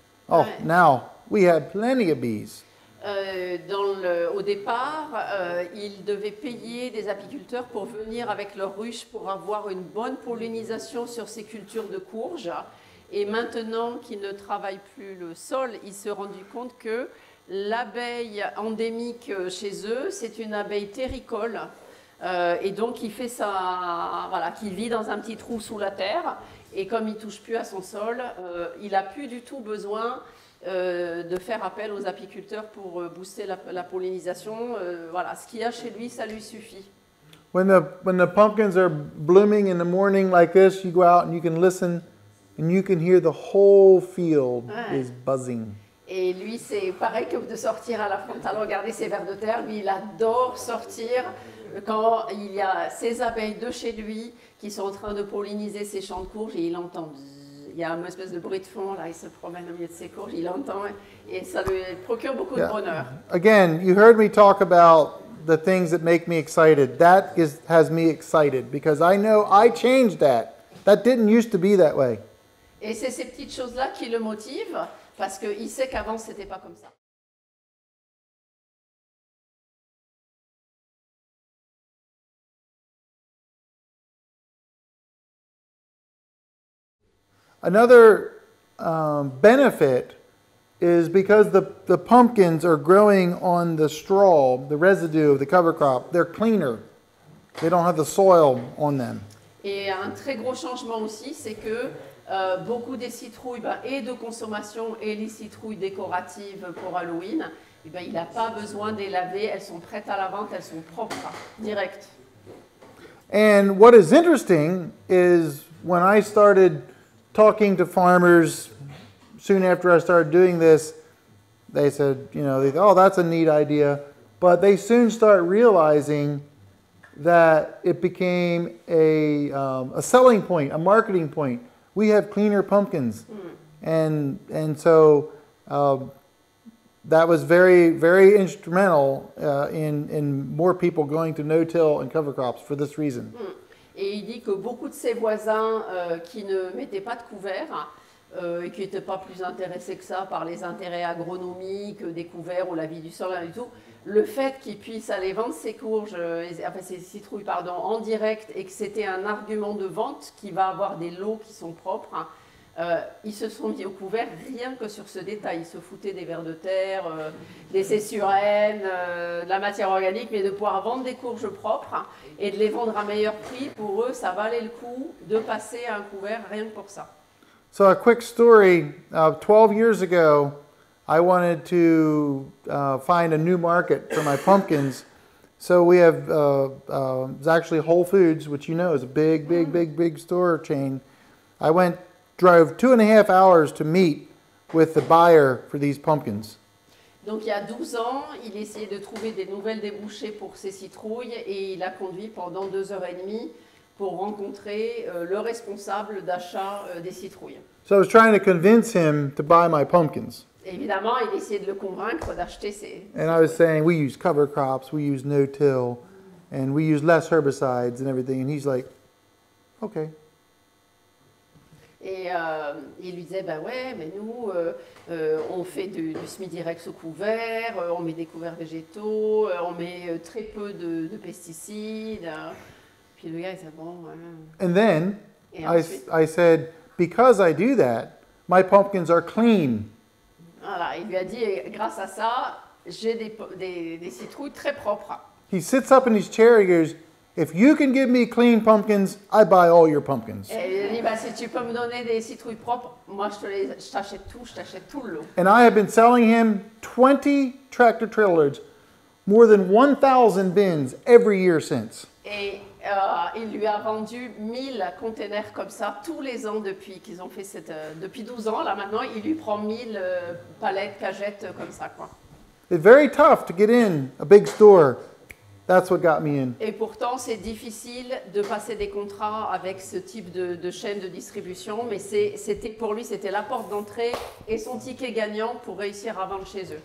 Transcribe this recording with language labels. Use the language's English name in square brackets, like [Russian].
[English] Oh, now we have plenty of bees. [French] Au départ, ils devaient payer des apiculteurs pour venir avec leurs ruches pour avoir une bonne pollinisation sur ces cultures de courges. Et maintenant qu'ils ne travaillent plus le sol, ils se sont rendus compte que l'abeille endémique chez eux, c'est une abeille terricole. Et donc, il fait ça, voilà, qu'il vit dans un petit trou sous la terre. Et comme il ne touche plus à son sol, il n'a plus du tout besoin de faire appel aux apiculteurs pour booster la pollinisation. Voilà, ce qu'il y a chez lui, ça lui suffit. [English] When the pumpkins are blooming in the morning like this, you go out and you can listen and you can hear the whole field is buzzing. [French] Et lui, c'est pareil que de sortir à la frontale, regarder ses vers de terre. Lui, il adore sortir quand il y a ses abeilles de chez lui qui sont en train de polliniser ses champs de courges et il entend. Il y a une espèce de bruit de fond, là, il se promène au milieu de ses courges, il entend, et ça lui procure beaucoup de bonheur. [English] Again, you heard me talk about the things that make me excited. That has me excited, because I know I changed that. That didn't used to be that way. [French] Et c'est ces petites choses-là qui le motivent, parce qu'il sait qu'avant, ce n'était pas comme ça. [English] Another benefit is because the pumpkins are growing on the straw, the residue of the cover crop, they're cleaner. They don't have the soil on them. [French] Et un très gros changement aussi, c'est que beaucoup des citrouilles et de consommation et les citrouilles décoratives pour Halloween, il n'a pas besoin de les laver, elles sont prêtes à la vente, elles sont propres, direct. [English] And what is interesting is when I started talking to farmers soon after I started doing this, they said, oh, that's a neat idea. But they soon start realizing that it became a selling point, a marketing point. We have cleaner pumpkins. And so that was very, very instrumental in more people going to no-till and cover crops for this reason. Mm. [French] Et il dit que beaucoup de ses voisins qui ne mettaient pas de couverts et qui n'étaient pas plus intéressés que ça par les intérêts agronomiques, des couverts ou la vie du sol, et tout, le fait qu'ils puissent aller vendre ses courges, ses citrouilles, en direct et que c'était un argument de vente qui va avoir des lots qui sont propres, ils se sont mis au couvert rien que sur ce détail. Ils se foutaient des vers de terre, des sésurènes, de la matière organique, mais de pouvoir vendre des courges propres et de les vendre à meilleur prix, pour eux, ça valait le coup de passer à un couvert rien que pour ça. [English] So a quick story. 12 years ago, I wanted to find a new market for my pumpkins. So we have, it's actually Whole Foods, which you know is a big store chain. I went, drove 2.5 hours to meet with the buyer for these pumpkins. [French] Donc il y a 12 ans, il essayait de trouver des nouvelles débouchés pour ses citrouilles et il a conduit pendant 2h30 pour rencontrer le responsable d'achat des citrouilles. [English] So I was trying to convince him to buy my pumpkins. [French] Évidemment, il essayait de le convaincre d'acheter ses. [English] And I was saying, we use cover crops, we use no-till, and we use less herbicides and everything. And he's like, okay. [French] Et il lui disait, ben ouais, mais nous, on fait du semi-direct sous couvert, on met des couverts végétaux, on met très peu de pesticides. Puis le gars, il disait, bon, ouais. [English] And then, I said, because I do that, my pumpkins are clean. [French] Voilà, il lui a dit, grâce à ça, j'ai des citrouilles très propres. [English] He sits up in his chair, he goes, if you can give me clean pumpkins, I buy all your pumpkins. And I have been selling him 20 tractor trailers, more than 1,000 bins every year since. [French] Et il lui a vendu 1,000 containers comme ça tous les ans depuis qu'ils ont fait cette depuis 12 ans là maintenant il lui prend 1,000 palettes cagettes comme ça quoi. [English] It's very tough to get in a big store. That's what got me in. [French] Et pourtant, c'est difficile de passer des contrats avec ce type de chaîne de distribution, mais c'était pour lui, c'était la porte d'entrée et son ticket gagnant pour réussir à vendre chez eux.